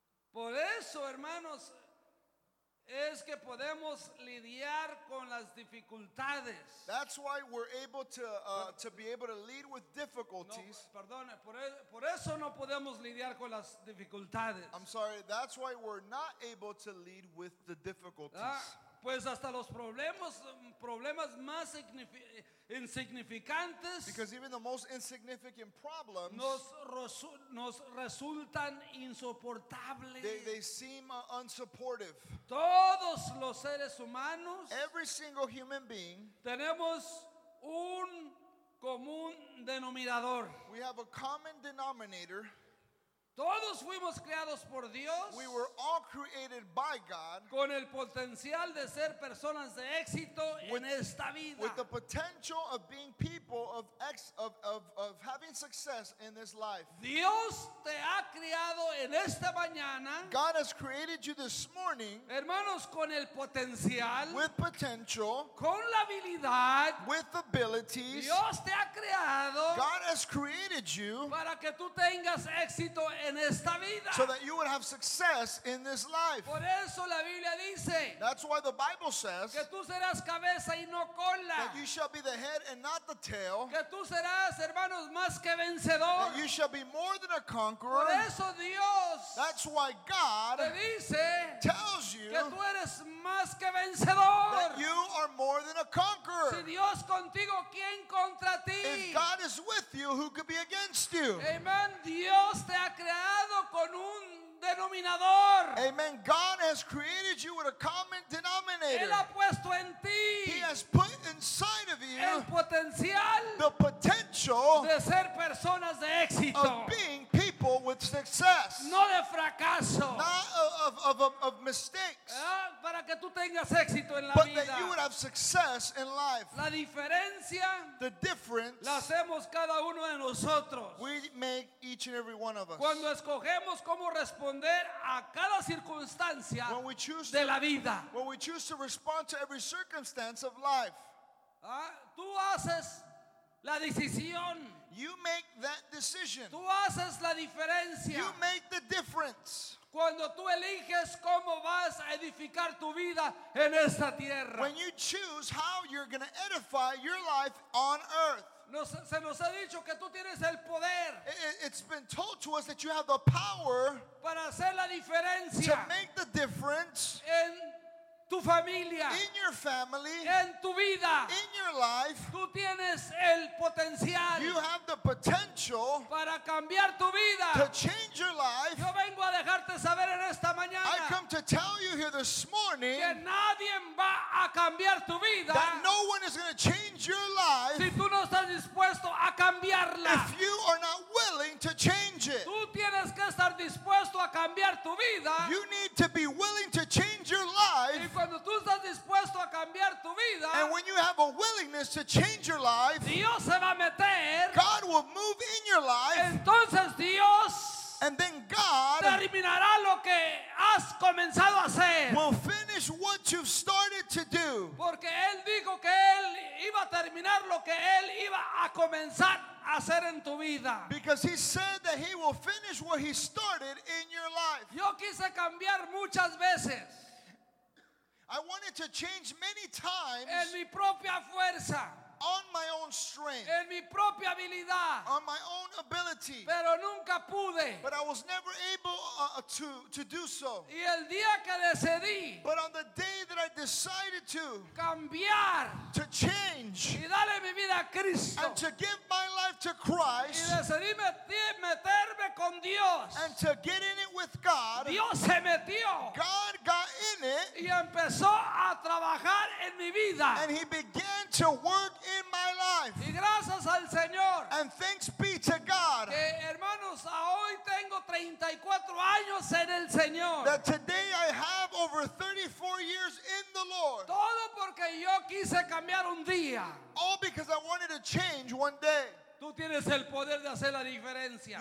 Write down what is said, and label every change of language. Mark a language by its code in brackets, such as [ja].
[es] Por eso, hermanos, es que podemos lidiar con las dificultades. [en] That's why we're able to be able to lead with difficulties. [es] No, perdone, por eso no podemos lidiar con las dificultades. [en] I'm sorry, that's why we're not able to lead with the difficulties. [es] Pues hasta los problemas más insignificantes, [en] because even the most insignificant problems, [es] nos resultan insoportables. [en] They seem unsupportive. [es] Todos los seres humanos, [en] every single human being, [es] tenemos un común denominador. [en] We have a common denominator. [es] Todos fuimos creados por Dios. [en] We were all created by God. [es] Con el potencial de ser personas de éxito en esta vida. [en] With the potential of being people of having success in this life. [es] Dios te ha creado en esta mañana. [en] God has created you this morning. [es] Hermanos, con el potencial. [en] With potential. [es] Con la habilidad. [en] With abilities. [es] Dios te ha creado. [en] God has created you. [es] Para que tú tengas éxito en esta vida. [en] So that you would have success in this life. [es] Por eso la Biblia dice, [en] that's why the Bible says, [es] que tú serás cabeza y no cola. [en] That you shall be the head and not the tail. [es] Que tú serás, hermanos, más que vencedor. [en] That you shall be more than a conqueror. [es] Por eso Dios, [en] that's why God [es] te dice, [en] tells you, [es] que tú eres más que vencedor. [en] That you are more than a conqueror. [es] Si Dios contigo, ¿quién contra ti? [en] If God is with you, who could be against you? [es] Amen. Dios te ha creado con un denominador. [en] Amen. God has created you with a common denominator. [es] Él ha puesto en ti. [en] He has put inside of you [es] el potencial, [en] the potential, [es] de ser personas de éxito. [en] Of being people with success. [es] No de fracaso. [en] Not of mistakes. [es] Para que tú tengas éxito en la [en] but [es] vida. [en] That you would have success in life. [es] La diferencia, [en] the difference, [es] la hacemos cada uno de nosotros. [en] We make each and every one of us. [es] Cuando escogemos cómo responder a cada circunstancia de la vida. [en] When we choose to respond to every circumstance of life. [es] Tú haces la decisión. [en] You make that decision. [es] Tú haces la diferencia. [en] You make the difference. [es] Cuando tú eliges cómo vas a edificar tu vida en esta tierra. [en] When you choose how you're going to edify your life on earth. [es] Se nos ha dicho que tú tienes el poder. [en] It's been told to us that you have the power. [es] Para hacer la diferencia. [en] To make the difference. [es] En tu familia. [en] In your family. [es] En tu vida. [en] In your life. [es] Tú tienes el potencial. [en] You have the potential. [es] Para cambiar tu vida. [en] To change your life. [es] Yo vengo a dejarte saber en esta mañana. [en] I come to tell you here this morning. [es] Que nadie va a cambiar tu vida. [en] That no one is going to change your life. [es] Si tú no estás dispuesto a cambiarla. [en] If you are not willing to change it. [es] Tú tienes que estar dispuesto a cambiar tu vida. [en] You need to be willing to change your life. [es] Y cuando tú estás dispuesto a cambiar tu vida, [en] and when you have a willingness to change your life, [es] Dios se va a meter, [en] God will move in your life, [es] entonces Dios, [en] and then God [es] terminará lo que has comenzado a hacer, [en] will finish what you've started to do. [es] Porque Él dijo que Él iba a terminar. terminar lo que él iba a comenzar a hacer en tu vida. [en] Because he said that he will finish what he started in your life. [es] Yo quise cambiar muchas veces. [en] I wanted to change many times. [es] En mi propia fuerza. [en] On my own strength. [es] En mi propia habilidad. [en] On my own ability. [es] Pero nunca pude. [en] But I was never able to do so. [es] Y el día que decidí. [en] But on the day that I decided to. [es] Cambiar. [en] To change. [es] Y darle mi vida a Cristo. [en] And to give my life to Christ. [es] Y decidí meterme con Dios. [en] And to get in it with God. [es] Dios se metió. [en] God got in it. [es] Y empezó a trabajar en mi vida. [en] And he began to work in my life. [es] Y gracias al Señor. [en] And thanks be to God. [es] Que, hermanos, hoy tengo 34 años en el Señor. [en] That today I have over 34 years in the Lord. [es] Todo porque yo quise cambiar un día. [en] All because I wanted to change one day. [es] Tú tienes el poder de hacer la diferencia.